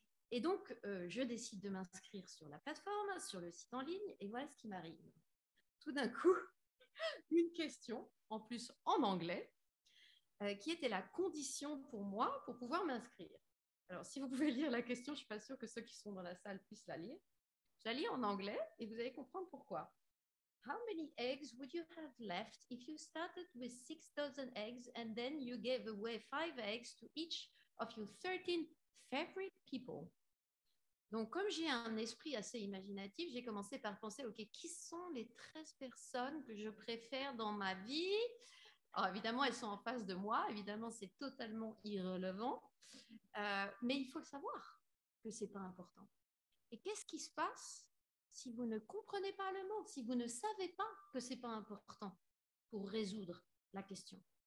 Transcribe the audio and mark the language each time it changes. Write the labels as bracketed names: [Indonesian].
[French] Et donc, je décide de m'inscrire sur la plateforme, sur le site en ligne, et voilà ce qui m'arrive. Tout d'un coup, une question, en plus en anglais, qui était la condition pour moi pour pouvoir m'inscrire. Alors, si vous pouvez lire la question, je ne suis pas sûre que ceux qui sont dans la salle puissent la lire. Je la lis en anglais et vous allez comprendre pourquoi. [English] How many eggs would you have left if you started with 6,000 eggs and then you gave away 5 eggs to each of your 13 favorite people? [French] Donc, comme j'ai un esprit assez imaginatif, j'ai commencé par penser, OK, qui sont les 13 personnes que je préfère dans ma vie? Alors, évidemment, elles sont en face de moi. Évidemment, c'est totalement irrelevant. Mais il faut savoir que ce n'est pas important. Et qu'est-ce qui se passe si vous ne comprenez pas le monde, si vous ne savez pas que ce n'est pas important pour résoudre la question?